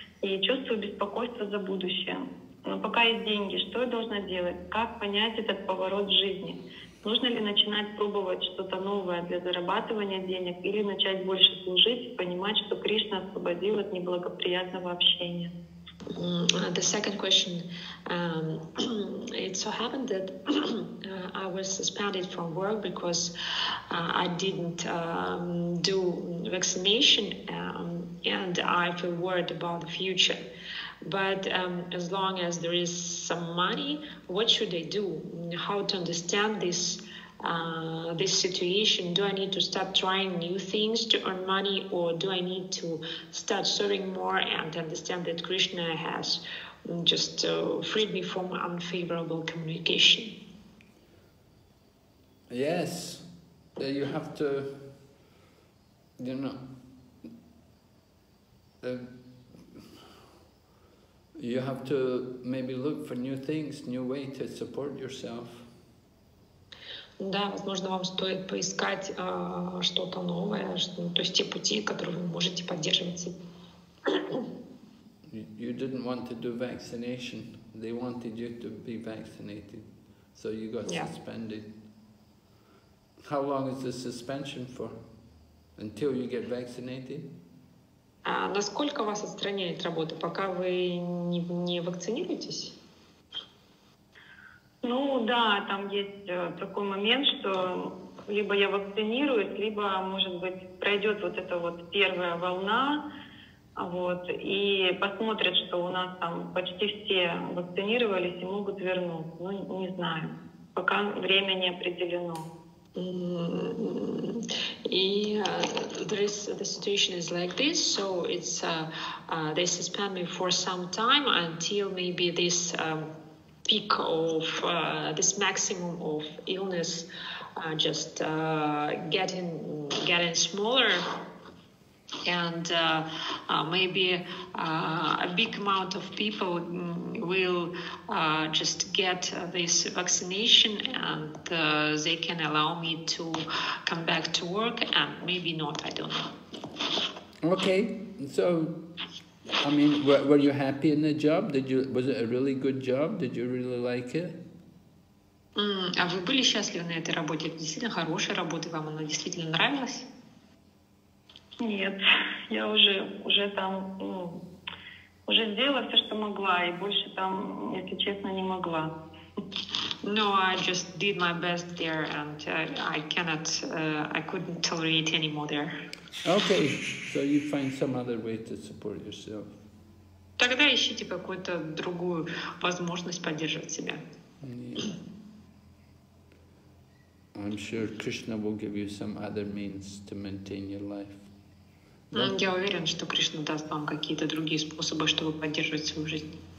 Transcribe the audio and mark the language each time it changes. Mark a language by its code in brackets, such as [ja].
[ru] И чувствую беспокойство за будущее. Но пока есть деньги, что я должна делать? Как понять этот поворот в жизни? Нужно ли начинать пробовать что-то новое для зарабатывания денег или начать больше служить и понимать, что Кришна освободил от неблагоприятного общения? [en] The second question, it so happened that I was suspended from work because I didn't do vaccination and I feel worried about the future. But as long as there is some money, what should I do? How to understand this situation? Do I need to start trying new things to earn money, or do I need to start serving more and understand that Krishna has just freed me from unfavorable communication? Yes, you have to, you know, you have to maybe look for new things, new way to support yourself. [ru] Да, возможно, вам стоит поискать что-то новое, то есть те пути, которые вы можете поддерживать. [en] You didn't want to do vaccination. They wanted you to be vaccinated. So you got suspended. How long is the suspension for? Until you get vaccinated? [ru] А насколько вас отстраняет работа, пока вы не вакцинируетесь? Ну да, там есть такой момент, что либо я вакцинируюсь, либо, может быть, пройдет вот эта вот первая волна, вот, и посмотрят, что у нас там почти все вакцинировались и могут вернуться. Ну, не знаю, пока время не определено. [en] The situation is like this, so it's they suspend me for some time until maybe this peak of this maximum of illness just getting smaller, and maybe a big amount of people will just get this vaccination, and they can allow me to come back to work, and maybe not, I don't know. Okay, so I mean, were you happy in the job? Did you was it a really good job? Did you really like it? [ru] А вы были счастливы на этой работе? Это действительно хорошая работа, вам она действительно нравилась? Нет, я уже там, уже сделала все, что могла, и больше там, если честно, не могла. [en] No, I just did my best there, and I cannot, I couldn't tolerate any more there. Okay, so you find some other way to support yourself. [ru] Тогда ищите какую-то другую возможность поддерживать себя. [en] I'm sure Krishna will give you some other means to maintain your life. [ru] Я уверен, что Кришна даст вам какие-то другие способы, чтобы поддерживать свою жизнь.